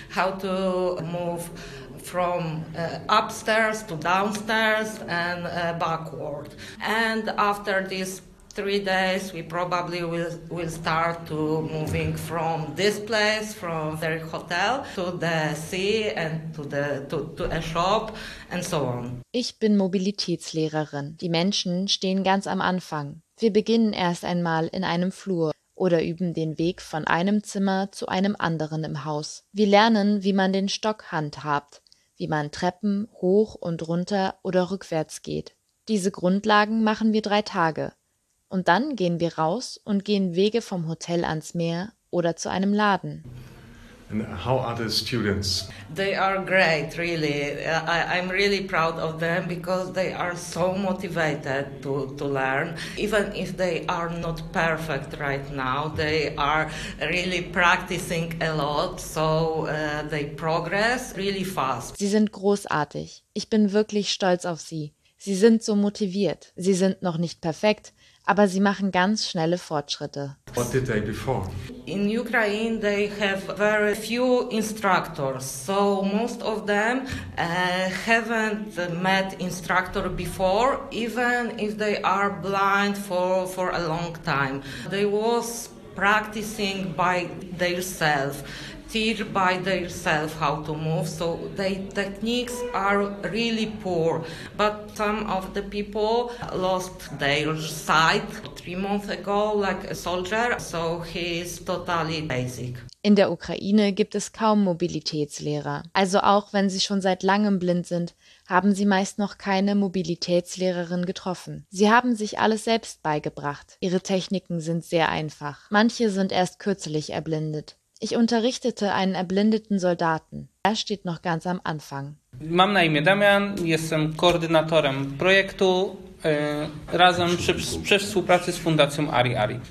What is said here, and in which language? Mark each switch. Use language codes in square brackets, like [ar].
[en] How to move from upstairs to downstairs and backward. And after this 3 days, we probably will start to moving from this place, from the hotel, to the sea and to a shop and so on. [de] Ich bin Mobilitätslehrerin. Die Menschen stehen ganz am Anfang. Wir beginnen erst einmal in einem Flur oder üben den Weg von einem Zimmer zu einem anderen im Haus. Wir lernen, wie man den Stock handhabt, wie man Treppen hoch und runter oder rückwärts geht. Diese Grundlagen machen wir 3 Tage. Und dann gehen wir raus und gehen Wege vom Hotel ans Meer oder zu einem Laden. [en] And how are the students? They are great, really. I'm really proud of them because they are so motivated to learn. Even if they are not perfect right now, they are really practicing a lot, so they progress really fast. [de] Sie sind großartig. Ich bin wirklich stolz auf sie. Sie sind so motiviert. Sie sind noch nicht perfekt, aber sie machen ganz schnelle Fortschritte. [en] What did they before? In Ukraine they have very few instructors, so most of them haven't met instructor before, even if they are blind for a long time. They was practicing by themselves. Teach by themselves how to move, so their techniques are really poor. But some of the people lost their sight 3 months ago, like a soldier, so he is totally basic. [de] In der Ukraine gibt es kaum Mobilitätslehrer. Also auch wenn sie schon seit langem blind sind, haben sie meist noch keine Mobilitätslehrerin getroffen. Sie haben sich alles selbst beigebracht. Ihre Techniken sind sehr einfach. Manche sind erst kürzlich erblindet. Ich unterrichtete einen erblindeten Soldaten. Er steht noch ganz am Anfang. [pl] Mam na imię Damian, jestem koordynatorem projektu razem przy współpracy z Fundacją Ari Ari.